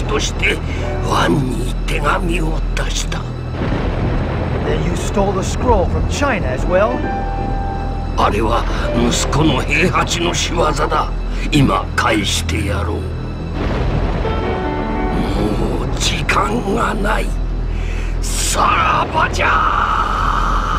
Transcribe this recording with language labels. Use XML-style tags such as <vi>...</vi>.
<ja>化け物はわしに時を得たら強者の魂を求め世界を滅ぼせと命じた。わしにはその言葉を拒絶するだけの気力は残っておらなんだ。そしてわしはわしの使徒としてのせめてもの証としてワンに手紙を出した。</ja> <en>Then you stole the scroll from China as well?</en> <ja>あれは息子の兵八の仕業だ。今返してやろう。もう時間がない。さらばじゃ。</ja>